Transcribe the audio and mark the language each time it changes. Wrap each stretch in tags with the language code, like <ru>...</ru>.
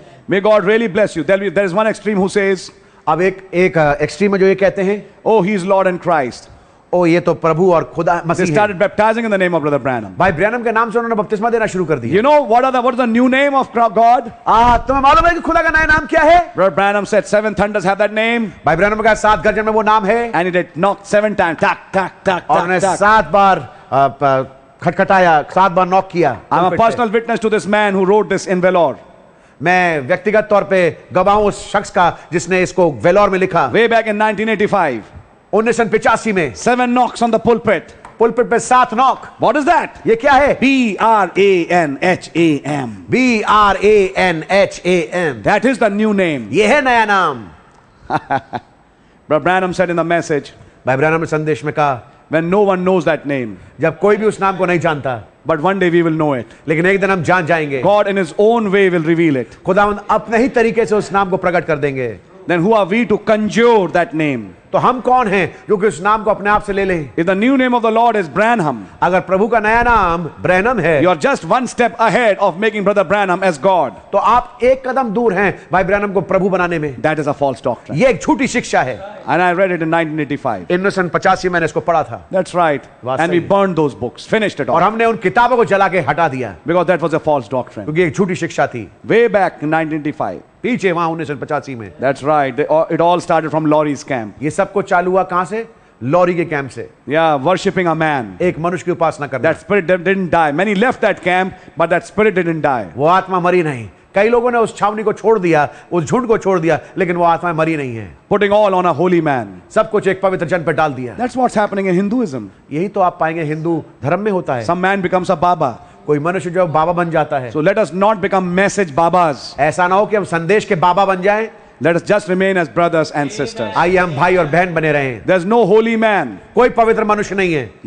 <en>May God really bless you. There is one extreme who says,</en> <hi>अब एक extreme में जो ये कहते हैं,</hi> <en>oh, he is Lord and Christ.</en> <hi>ओ ये तो प्रभु और खुदा मसीह है.</hi> <en>They started baptizing in the name of Brother Branham.</en> <hi>भाई ब्रैनम के नाम से उन्होंने बपतिस्मा देना शुरू कर दिया.</hi> <en>You know what's the new name of God?</en> <hi>तुम्हें मालूम है कि खुदा का नया नाम क्या है?</hi> <en>Brother Branham said seven thunders have that name.</en> <hi>भाई ब्रैनम का सात गर्जन में वो नाम है.</hi> <en>And it knocked seven times. Tak tak tak.</en> <hi>और उन्हें सात बार खटखटाया, सात बार नॉक किया.</hi> <en>I'm a personal witness to this man who wrote this in Vellore.</en> <hi>मैं व्यक्तिगत तौर पे गवाह हूं उस शख्स का जिसने इसको वेलोर में लिखा.</hi> <en>Way back in 1985,</en> <hi>1985 में,</hi> <en>seven knocks on the pulpit.</en> <hi>Pulpit पे सात नॉक.</hi> <en>What is that?</en> <hi>ये क्या है?</hi> <en>Branham. Branham. That is the new name.</en> <hi>ये है नया नाम.</hi> <en>Brother Branham said in the message.</en> <hi>भाई ब्रैनम ने संदेश में कहा.</hi> <en>When no one knows that name.</en> <hi>जब कोई भी उस नाम को नहीं जानता.</hi> <en>But one day we will know it.</en> <hi>लेकिन एक दिन हम जान जाएंगे.</hi> <en>God in His own way will reveal it.</en> <hi>खुदावंद अपने ही तरीके से उस नाम को प्रकट कर देंगे.</hi> <en>Then who are we to conjure that name?</en> <hi>तो हम कौन हैं जो कि उस नाम को अपने आप से ले लें?</hi> <en>If the new name of the Lord is Branham,</en> <hi>अगर प्रभु का नया नाम ब्रैनम है,</hi> <en>you are just one step ahead of making Brother Branham as God.</en> <hi>तो आप एक कदम दूर हैं भाई ब्रैनम को प्रभु बनाने में.</hi> <en>That is a false doctrine.</en> <hi>ये एक झूठी शिक्षा है.</hi> <en>And I read it in 1985.</en> <hi>1985 मैंने इसको पढ़ा था.</hi> <en>That's right. And we burned those books, finished it off.</en> <hi>और हमने उन किताबों को जला के हटा दिया.</hi> <en>Because that was a false doctrine.</en> <hi>क्योंकि एक झूठी शिक्षा थी.</hi> <en>Way back in 1985.</en> <hi>पीछे वहाँ 1985 में.</hi> <en>That's right. It all started from Laurie's camp.</en> <hi>ये सब को चालू हुआ कहाँ से? लॉरी के कैंप से.</hi> <en>Yeah, worshiping a man.</en> <hi>एक मनुष्य की उपासना करना.</hi> <en>That spirit didn't die. Many left that camp, but that spirit didn't die.</en> <hi>वो आत्मा मरी नहीं. कई लोगों ने उस छावनी को छोड़ दिया, उस झुंड को छोड़ दिया, लेकिन वो आत्मा मरी नहीं है.</hi> <en>Putting all on a holy man.</en> <hi>सब कुछ एक पवित्र जन पर डाल दिया.</hi> <en>That's what's happening in Hinduism.</en> <hi>यही तो आप पाएंगे हिंदू धर्म में होता है.</hi> <en>Some man becomes a baba.</en> <hi>कोई मनुष्य जो बाबा बन जाता है.</hi> <en>So let us not become message babas.</en> <hi>ऐसा ना हो कि हम संदेश के बाबा बन जाएं.</hi> <en>Let us just remain as brothers and sisters.</en> <hi>आइए हम भाई और बहन बने रहें.</hi> <en>There's no holy man.</en> <hi>कोई पवित्र मनुष्य नहीं है.</hi>